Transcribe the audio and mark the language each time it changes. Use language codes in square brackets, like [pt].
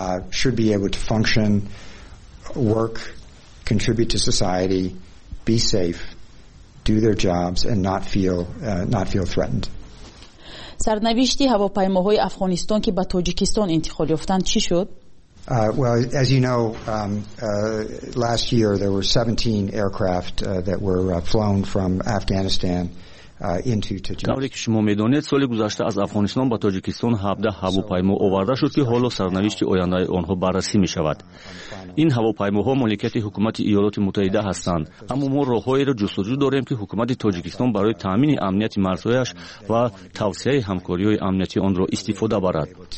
[en] Should be able to function, work, contribute to society, be safe. Do their jobs and not feel threatened. [fa] سرنوشتی هواپیماهای افغانستان که به تاجیکستان انتقال یافتند چی شد؟ [en] Well, as you know, last year there were 17 aircraft that were flown from Afghanistan into Tajikistan. [fa] طوری که شما میدونید سال گذشته از افغانستان به تاجیکستان 17 هواپیما آورده شد که حالا سرنوشت آینده آنها بررسی می شود. این هواپیماها مالکیت حکومت ایالات متحده هستند، اما ما راههایی را جستجو داریم که حکومت تاجیکستان برای تامین امنیت مرزهایش و توسعه همکاری های امنیتی آن را استفاده برد.